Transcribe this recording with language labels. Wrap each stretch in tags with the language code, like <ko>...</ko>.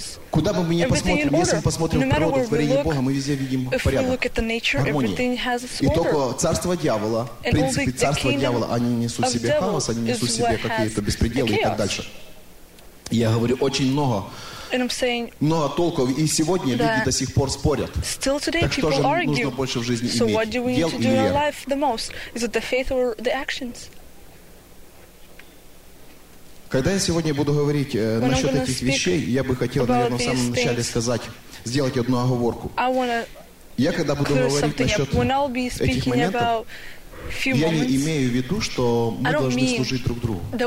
<ru>Куда бы мы ни посмотрим, если мы посмотрим в природу, в творение Бога, мы везде видим порядок, гармонию. И только царство дьявола, в принципе, царство дьявола, они несут себе хаос, они несут себе какие-то беспределы и так дальше. Я говорю очень много. Много толков, и сегодня люди до сих пор спорят.</ru> <en>Still today,</en> <ru>так что же нужно больше в жизни иметь?</ru> <en>So what do we need to do in our life the most? Is it the faith or the actions?</en> <ru>Когда я сегодня буду говорить насчет этих вещей, я бы хотел, наверное, в самом начале сказать, сделать одну оговорку. Я когда буду говорить насчет этих моментов, я не имею в виду, что мы должны служить друг другу.</ru>